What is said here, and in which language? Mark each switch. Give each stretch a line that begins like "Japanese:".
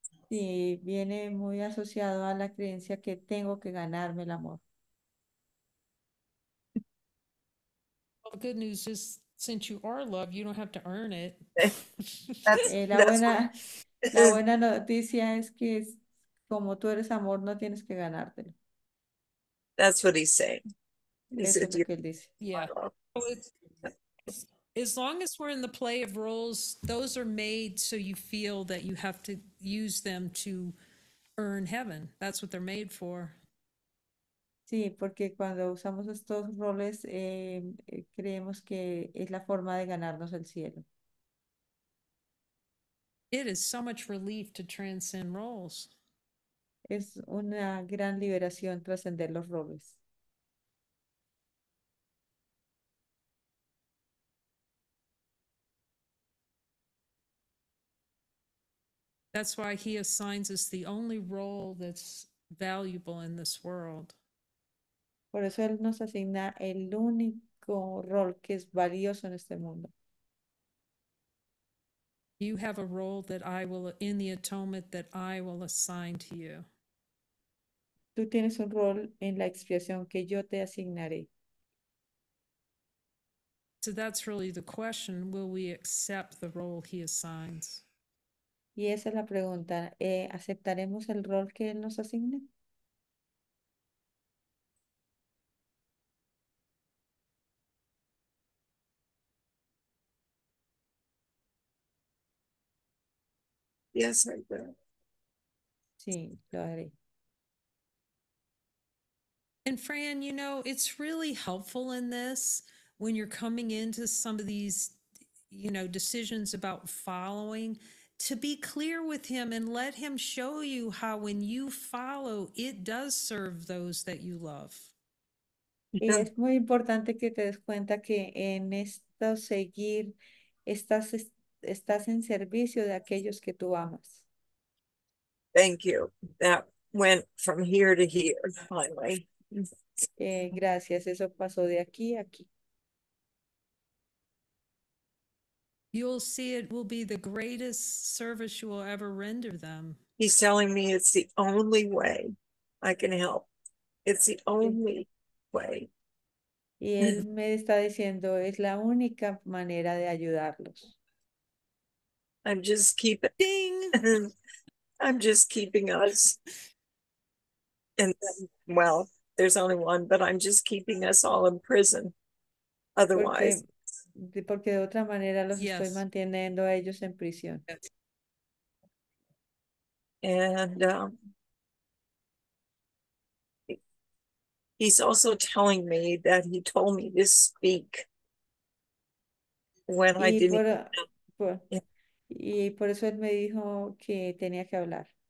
Spanish: Sí, viene muy asociado a la creencia que tengo que ganarme el amor.
English: Well, the good news is, since you are love, you don't have to earn it.
Spanish: La buena noticia es que como tú eres amor, no tienes que ganártelo.
English: That's what he's saying. Yeah. As long as we're in the play of roles, those are made so you feel that you have to use them to earn heaven. That's what they're made for.
Spanish: Sí, porque cuando usamos estos roles, creemos que es la forma de ganarnos el cielo.
English: It is so much relief to transcend roles.
Spanish: Es una gran liberación trascender los roles.
English: That's why he assigns us the only role that's valuable in this world.
Spanish: Por eso él nos asigna el único rol que es valioso en este mundo.
English: You have a role that I will, in the atonement that I will assign to you.
Spanish: Tú tienes un rol en la expiación que yo te asignaré.
English: So that's really the question, will we accept the role he assigns?
Spanish: Y esa es la pregunta, ¿aceptaremos el rol que él nos asigne?
English: Yes, I will.
Spanish: Sí, lo haré.
English: And Fran, you know, it's really helpful in this when you're coming into some of these, you know, decisions about following, to be clear with him and let him show you how when you follow, it does serve those that you love.
Spanish: Y es muy importante que te des cuenta que en esto seguir estás en servicio de aquellos que tú amas.
English: Thank you. That went from here to here, finally.
Spanish: Gracias. Eso pasó de aquí a aquí.
English: You'll see it will be the greatest service you will ever render them. He's telling me it's the only way I can help. It's the only way.
Spanish: Y él me está diciendo, es la única manera de ayudarlos.
English: I'm just keeping us. And then, well, there's only one, but I'm just keeping us all in prison. Otherwise.
Spanish: Porque de otra manera los yes. estoy manteniendo a ellos en prisión.
English: And he's also telling me that he told me to speak when
Spanish: y
English: I didn't.
Spanish: Por, Y por eso él me dijo que tenía que hablar.